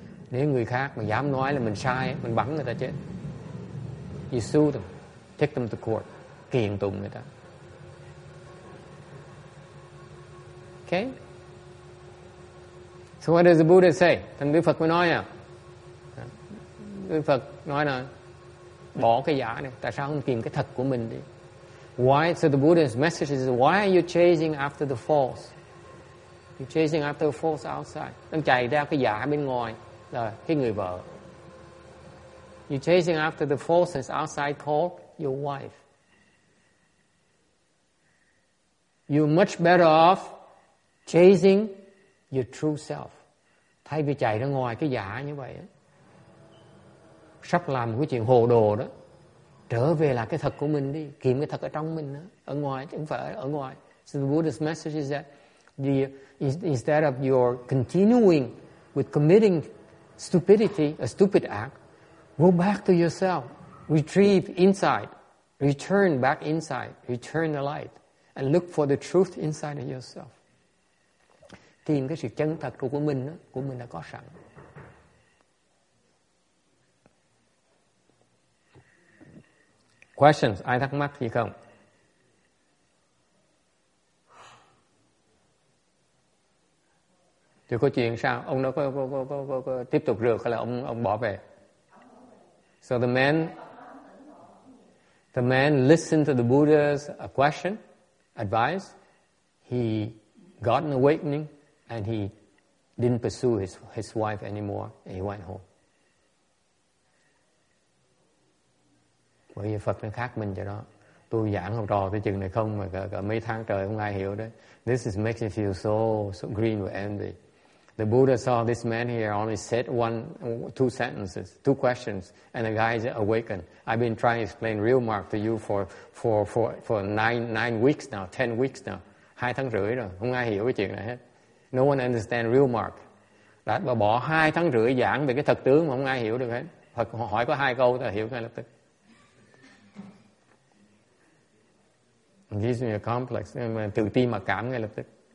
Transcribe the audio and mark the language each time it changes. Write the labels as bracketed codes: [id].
[vi] Nếu người khác mà dám nói là mình sai, mình bắn người ta chết. [en] You sue them, take them to court, [vi] kiện tụng người ta. Okay. [en] So what does the Buddha say? [vi] Thành Đức Phật mới nói à. Đức Phật nói là bỏ cái giả này. Tại sao không tìm cái thật của mình đi? [en] Why? So the Buddha's message is: why are you chasing after the false? You're chasing after the false outside. [vi] Đang chạy theo cái giả bên ngoài là cái người vợ. [en] You're chasing after the falseness outside called your wife. You're much better off chasing your true self. [vi] Thay vì chạy ra ngoài cái giả như vậy, sắp làm cái chuyện hồ đồ đó, trở về là cái thật của mình đi, kiếm cái thật ở trong mình đó, ở ngoài, chứ không phải ở ngoài. [en] So the Buddha's message is that instead of your continuing with committing stupidity, a stupid act, go back to yourself, retrieve inside, return back inside, return the light, and look for the truth inside of yourself. [vi] Tìm cái sự chân thật của mình đó, của mình đã có sẵn. [en] Questions? [vi] Ai thắc mắc gì không? Thì có chuyện sao? Ông đó có tiếp tục rượt hay là ông bỏ về? [en] So the man listened to the Buddha's question, advice. He got an awakening. And he didn't pursue his wife anymore, and he went home. [vi] Bởi vì Phật nó khác mình cho đó. Tôi giảng học trò tới chừng này không, mà cả mấy tháng trời không ai hiểu đấy. [en] This is makes me feel so green with envy. The Buddha saw this man here only said two sentences, two questions, and the guy is awakened. I've been trying to explain real mark to you for nine weeks now, 10 weeks now. [vi] 2.5 tháng rồi, không ai hiểu cái chuyện này hết. [en] No one understand real mark. [vi] Đã bỏ 2.5 tháng giảng về cái thật tướng mà không ai hiểu được hết. Phật hỏi có 2 câu thì hiểu ngay lập tức. [en] It gives me a complex, [vi] tự ti mà cảm ngay lập tức.